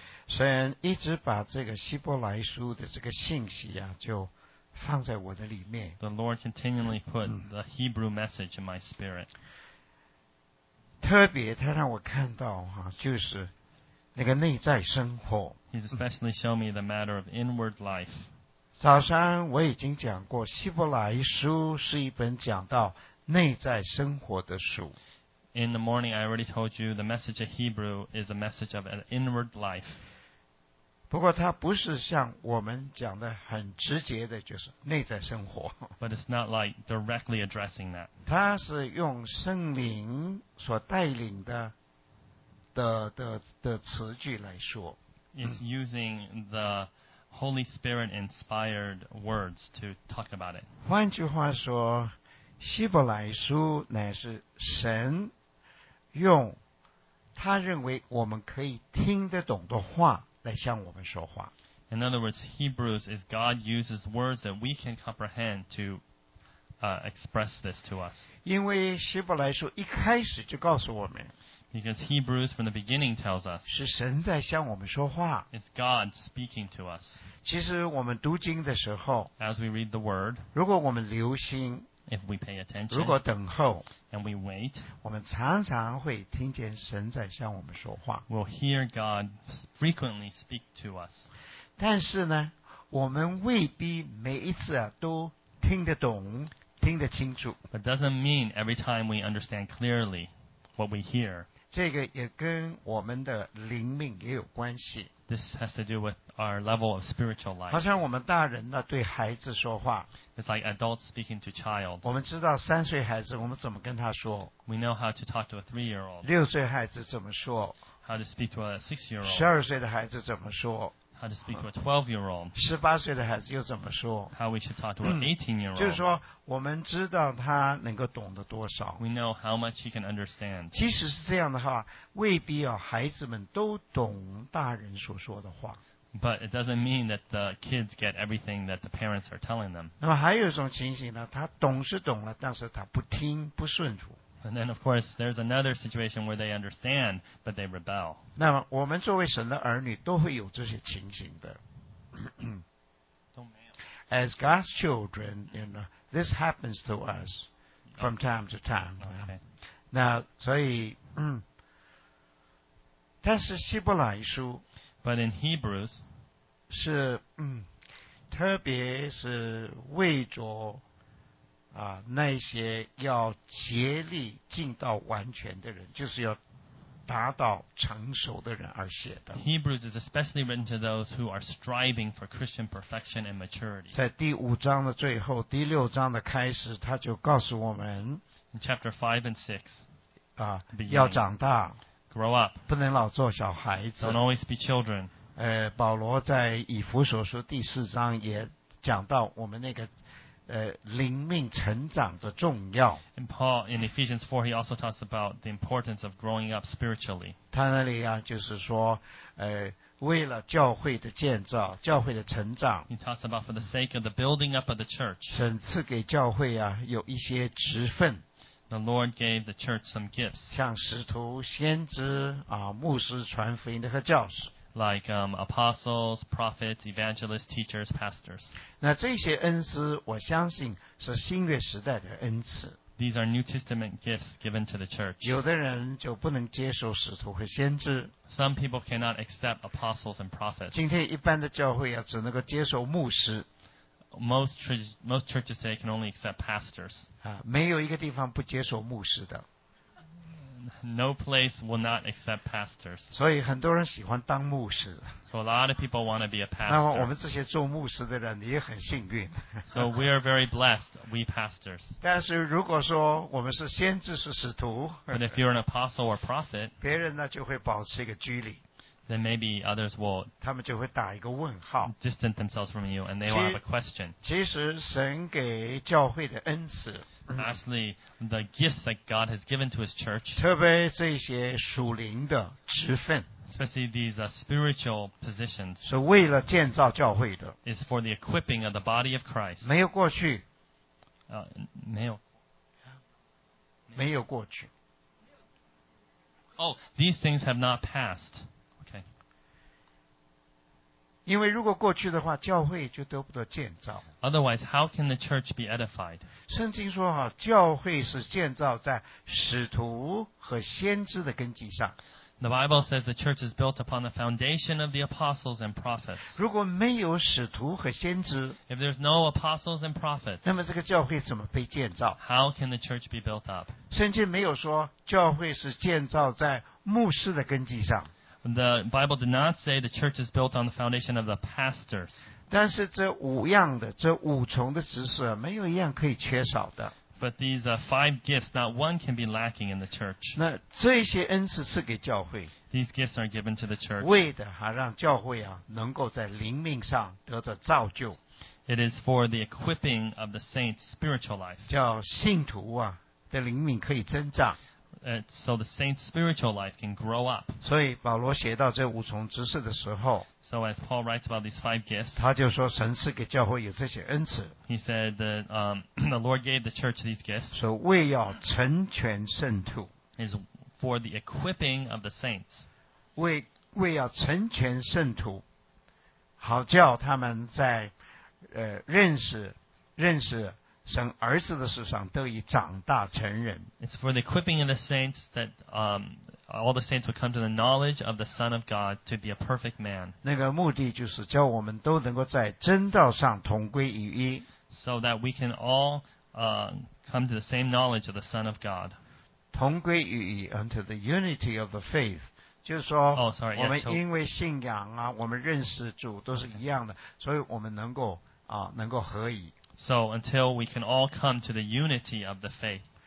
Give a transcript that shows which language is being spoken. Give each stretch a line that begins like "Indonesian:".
Chinese: 虽然一直把这个希伯来书的这个信息啊，就放在我的里面。
English: The Lord continually put the Hebrew message in my spirit.
Chinese: 特别他让我看到哈，就是那个内在生活。
English: He's especially showed me the matter of inward life.
Chinese: 早上我已经讲过，希伯来书是一本讲到内在生活的书。
English: In the morning, I already told you the message of Hebrew is a message of an inward life.
Chinese: 不过它不是像我们讲的很直接的，就是内在生活。
English: But it's not like directly addressing that.
Chinese: 它是用圣灵所带领的的词句来说。
English: It's using the Holy Spirit inspired words to talk about it.
Chinese: 换句话说，希伯来书乃是神用他认为我们可以听得懂的话来向我们说话。
English: In other words, Hebrews is God uses words that we can comprehend to express this to us.
Chinese: 因为希伯来书一开始就告诉我们。
English: Because Hebrews from the beginning tells us.
Chinese: 是神在向我们说话。
English: It's God speaking to us.
Chinese: 其实我们读经的时候。
English: As we read the word.
Chinese: 如果我们留心。
English: If we pay attention,
Chinese: 如果等候
English: and we wait,
Chinese: 我们常常会听见神在向我们说话。
English: We'll hear God frequently speak to us.
Chinese: 但是呢，我们未必每一次啊都听得懂，听得清楚。
English: But doesn't mean every time we understand clearly what we hear.
Chinese: 这个也跟我们的灵命也有关系。
English: This has to do with our level of spiritual life.
Chinese: 好像我们大人呢对孩子说话。
English: It's like adults speaking to child.
Chinese: 我们知道三岁孩子我们怎么跟他说。
English: We know how to talk to a three-year-old.
Chinese: 六岁孩子怎么说。
English: How to speak to a six-year-old.
Chinese: 十二岁的孩子怎么说。
English: How to speak to a 12-year-old.
Chinese: 十八岁的孩子又怎么说。
English: How we should talk to an 18-year-old.
Chinese: 就是说我们知道他能够懂得多少。
English: We know how much he can understand.
Chinese: 即使是这样的话未必要孩子们都懂大人所说的话。
English: But it doesn't mean that the kids get everything that the parents are telling them.
Chinese: 那么还有一种情形呢他懂是懂了但是他不听不顺服。
English: And then, of course, there's another situation where they understand, but they rebel.
Chinese: 那么我们作为神的儿女都会有这些情形的。
English: As God's children, you know, this happens to us from time to time. Okay.
Chinese: 那所以，但是希伯来书
English: But in Hebrews,
Chinese: 是特别是为着那些要竭力进到完全的人，就是要达到成熟的人而写的。
English: Hebrews is especially written to those who are striving for Christian perfection and maturity.
Chinese: 在第五章的最后，第六章的开始，他就告诉我们
English: ，In chapter 5 and 6,
Chinese: 要长大
English: ，grow up，
Chinese: 不能老做小孩子
English: ，don't always be children。
Chinese: 保罗在以弗所书第四章也讲到我们那个。灵命成长的重要。
English: And Paul in Ephesians 4 he also talks about the importance of growing up spiritually.
Chinese: 他那里啊就是说为了教会的建造教会的成长。
English: He talks about for the sake of the building up of the church.
Chinese: 神赐给教会啊有一些职分。
English: The Lord gave the church some gifts.
Chinese: 像使徒先知啊牧师传福音的和教师。
English: Like apostles, prophets, evangelists, teachers, pastors.
Chinese: 那这些恩赐，我相信是新约时代的恩赐。
English: These are New Testament gifts given to the church.
Chinese: 有的人就不能接受使徒和先知。
English: Some people cannot accept apostles and prophets.
Chinese: 今天一般的教会啊，只能够接受牧师。
English: Most churches today can only accept pastors.
Chinese: 啊，没有一个地方不接受牧师的。
English: No place will not accept pastors.
Chinese: 所以很多人喜欢当牧师。
English: So a lot of people want to be a pastor.
Chinese: 那么我们这些做牧师的人也很幸运。
English: So we are very blessed, we pastors.
Chinese: 但是如果说我们是先知是使徒
English: But if you're an apostle or prophet,
Chinese: 别人呢就会保持一个距离。
English: Then maybe others will
Chinese: 他们就会打一个问号。
English: Distance themselves from you and they will have a question.
Chinese: 其实神给教会的恩赐
English: Actually, the gifts that God has given to his church
Chinese: 特别这些属灵的职分
English: Especially these spiritual positions
Chinese: 是为了建造教会的
English: Is for the equipping of the body of Christ
Chinese: 没有过去没有过去
English: Oh, these things have not passed
Chinese: 因为如果过去的话教会就得不得建造
English: Otherwise, how can the church be edified?
Chinese: 圣经说啊教会是建造在使徒和先知的根基上
English: The Bible says the church is built upon the foundation of the apostles and prophets
Chinese: 如果没有使徒和先知
English: If there's no apostles and prophets
Chinese: 那么这个教会怎么被建造
English: How can the church be built up?
Chinese: 圣经没有说教会是建造在牧师的根基上
English: The Bible did not say the church is built on the foundation of the pastors.
Chinese: 但是这五样的，这五重的职事，没有一样可以缺少的。
English: But these five gifts, not one can be lacking in the church.
Chinese: 那这些恩赐赐给教会。
English: These gifts are given to the church.
Chinese: 为的还让教会啊，能够在灵命上得到造就。
English: It is for the equipping of the saint's spiritual life.
Chinese: 叫信徒啊的灵命可以增长。
English: So the saint's spiritual life can grow up.
Chinese: 所以保罗写到这五重职事的时候。
English: So as Paul writes about these five gifts,
Chinese: 他就说神赐给教会有这些恩赐。
English: He said that the Lord gave the church these gifts.
Chinese: 所以为要成全圣徒。
English: Is for the equipping of the saints.
Chinese: 为要成全圣徒，好叫他们在认识神儿子的事上得以长大成人。
English: It's for the equipping of the saints that all the saints will come to the knowledge of the Son of God to be a perfect man.
Chinese: 那个目的就是叫我们都能够在真道上同归于一。
English: So that we can all come to the same knowledge of the Son of God.
Chinese: 同归于一
English: unto the unity of the faith.
Chinese: 就是说、我们因为信仰啊，我们认识主都是一样的，所以我们能够能够合一。
English: So until we can all come to the unity of the faith.